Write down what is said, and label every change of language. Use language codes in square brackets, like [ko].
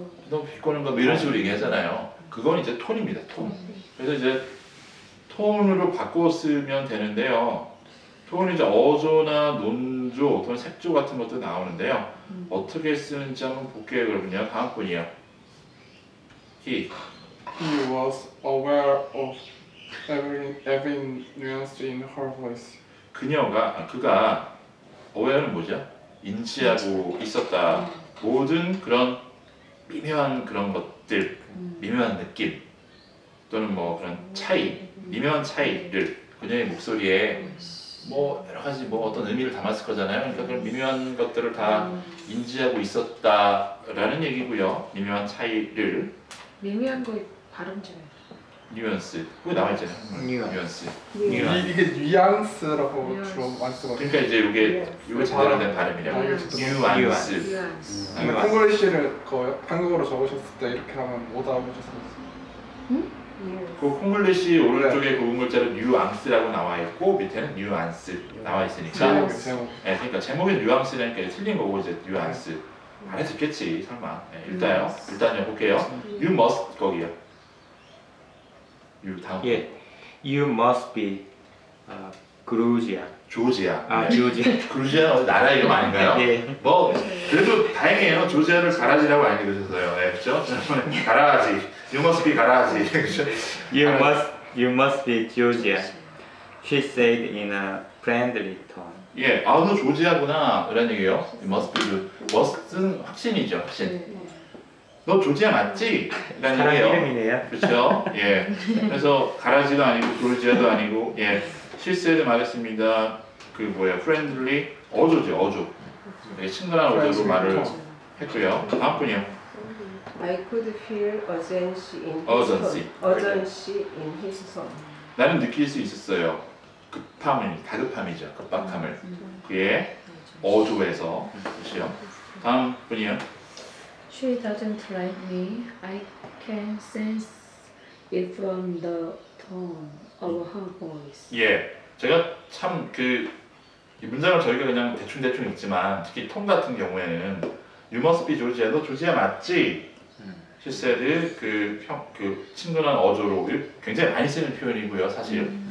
[ko] 너무 비꼬는 거 이런 식으로 얘기하잖아요. 그건 이제 톤입니다. 톤. 그래서 이제 톤으로 바꿨으면 되는데요. 톤은 이제 어조나 논조 또는 색조 같은 것도 나오는데요. 어떻게 쓰는지 한번 볼게요. 그러면요. 다음 분이요. He [en] was aware of every nuance in her voice. [ko] 그녀가, 그가 aware는 뭐죠? 인지하고 있었다. 모든 그런 미묘한 그런 것들, 미묘한 느낌 또는 뭐 그런 차이 미묘한 차이를 그녀의 목소리에 뭐 여러 가지 뭐 어떤 의미를 담았을 거잖아요. 그러니까 그런 미묘한 것들을 다 인지하고 있었다라는 얘기고요. 미묘한 차이를 미묘한 거 발음 좀 해. 뉘앙스. 그거 나와 있잖아요. 뉘앙스. 이게 뉘앙스라고 주로 말씀하세요. 그러니까 이제 이게 이거 제대로 된 발음이라고. 뉘앙스. 콩글리시를 한국어로 적으셨을 때 이렇게 하면 못 알아보셨어요. 그 콩글리시 오른쪽에 그 문자로 뉘앙스라고 나와 있고 밑에는 뉘앙스 나와 있으니까 제목. 네, 그러니까 제목이 뉘앙스라니까 틀린 거고 이제 뉘앙스 안 했었겠지, 설마. 네, 일단요. Must. 일단요, 볼게요. [en] You must, [ko] 거기요. [en] You, 다음. Yeah. You must be, 그루지아. [ko] 조지아. 아, 네. 조지아. 그루지아 나라 이름 아닌가요? 예. 뭐, 그래도 다행이에요. 조지아를 가라지라고 알게 되셨어요. 예, 네, 그죠? 가라지. [en] You must be 가라지. You must, you must be 조지아. She said in a friendly tone. [ko] 예, 아, 너 조지아구나. 이런 얘기예요. [en] You must be, must은 확신이죠. [ko] 확신. 너 조지아 맞지? 라는 사람 얘기예요. 이름이네요. 그렇죠? 예. 그래서 가라지도 아니고 조지아도 아니고, 예. 실수해서 말했습니다. 그 뭐야, friendly 어조죠, 어조. 네, 친근한 어조로 말을 했고요. 다음 분이요. [en] I could feel urgency in his urgency. tone. Urgency in his tone. [ko] 나는 느낄 수 있었어요. 급함을, 다급함이죠, 급박함을. 그의 어조에서 보시죠. 다음 분이요. [en] She doesn't like me. I can sense it from the tone. Oh, [ko] 예, 제가 참 그 문장을 저희가 그냥 대충 읽지만 특히 톤 같은 경우에는 [en] You must be Georgia. [ko] 너 조지아 맞지? 실세드 그 친근한 어조로 굉장히 많이 쓰는 표현이고요, 사실.